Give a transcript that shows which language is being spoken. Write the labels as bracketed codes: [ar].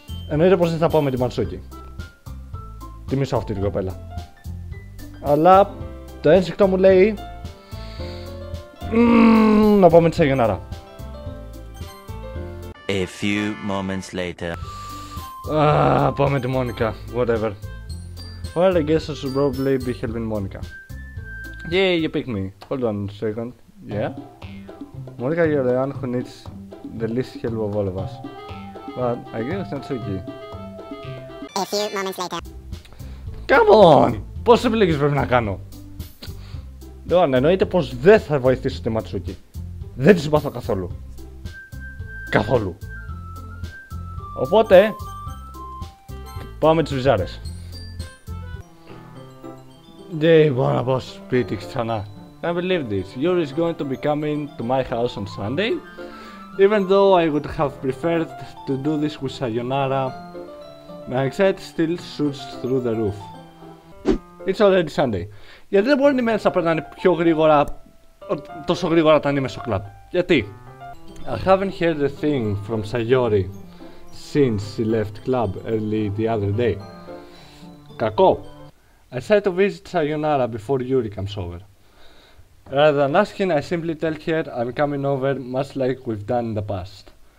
[el] Εννοείται πως δεν θα πάω με τη Μαντσούκη. Τιμήσω αυτή την κοπέλα. Αλλά το ένσυχτο μου λέει να πάω με τη Σαγιονάρα. [en] A few moments later. [el] Πάω με τη Μόνικα, whatever. [en] Well, I guess I should probably be helping Monica. Yeah, you picked me. Hold on a second. Yeah? Monica, you're the one who needs the least help of all of us. But I guess it's not so key. A few moments later. Come on! [el] Πόσες επιλογές πρέπει να κάνω? Λοιπόν, εννοείται πως δεν θα βοηθήσω τη Ματσούκη. Δεν τη συμπαθώ καθόλου. Καθόλου. Οπότε, πάμε τις βυζάρες. Δεν μπορώ να πάω σπίτι ξανά. [en] can't believe this. Yuri is going to be coming to my house on Sunday. Even though I would have preferred to do this with Sayonara, my anxiety still shoots through the roof. It's already Sunday. [el] Γιατί δεν μπορούν οι μέρες να περνάνε πιο γρήγορα, τόσο γρήγορα όταν είμαι στο κλαμπ. Γιατί? [en] I haven't heard a thing from Sayori since she left club early the other day. [el] Κακό. [en] I try to visit Sayonara before Yuri comes over. Rather than asking, I simply tell her I'm coming over much like we've done in the past.